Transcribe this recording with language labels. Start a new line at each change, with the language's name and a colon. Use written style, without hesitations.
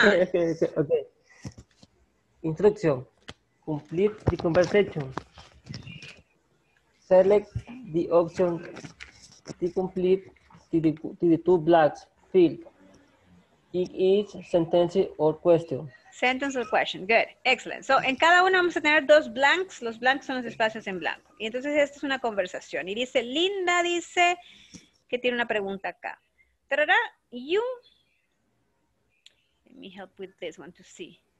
Spanish: Okay. Instrucción.
English: Complete the conversation. Select the option to complete the two blocks field. It is sentence or question. Sentence or question. Good. Excellent.
Spanish: So, en cada uno vamos a tener dos blanks. Los blanks son los espacios en blanco. Y entonces, esta es una conversación. Y dice, Linda dice que tiene una pregunta acá. Tarara, you...
English: Let me help with this one to see.